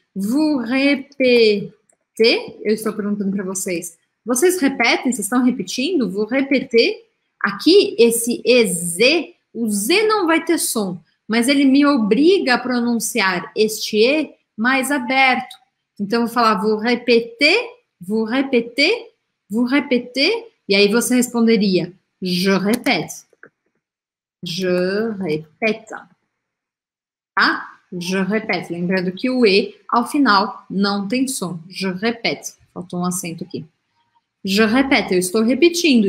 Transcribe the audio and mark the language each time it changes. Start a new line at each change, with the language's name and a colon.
French: Vous répétez.
Portuguese: Eu estou perguntando para vocês. Vocês repetem? Vocês estão repetindo?
French: Vous répétez.
Portuguese: Aqui, esse EZ, o Z não vai ter som, mas ele me obriga a pronunciar este E mais aberto. Então, eu vou falar
French: vous répétez, vous répétez.
Portuguese: Vou repetir e aí você responderia:
French: je répète. Je répète. Tá? Je répète.
Portuguese: Lembrando que o E ao final não tem som.
French: Je répète.
Portuguese: Faltou um acento aqui. Je répète. Eu estou repetindo.